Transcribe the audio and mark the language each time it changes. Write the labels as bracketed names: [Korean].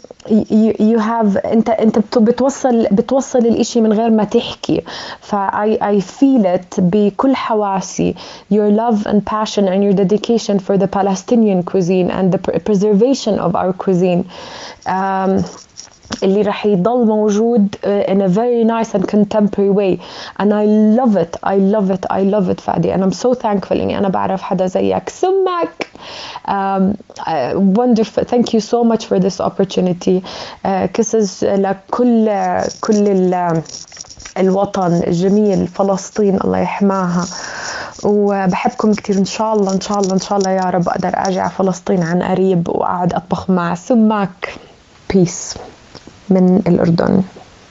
[English] you have, [Arabic] أنت بتوصل الإشي من غير ما تحكي, [English] فI feel it [Arabic] بكل حواسي, [English] your love and passion and your dedication for the Palestinian cuisine and the preservation of our cuisine, [Arabic] اللي رح يضل موجود [English] in a very nice and contemporary way, and I love it Fadi, and I'm so thankful [Arabic] إني أنا بعرف حدا زيك سمك. [English] Wonderful, thank you so much for this opportunity. [Arabic] Kisses لكل كل الوطن الجميل فلسطين, الله يحماها, وبحبكم كتير. إن شاء الله إن شاء الله إن شاء الله يا رب أقدر أرجع فلسطين عن قريب وأقعد أطبخ مع سماك. Peace من الأردن.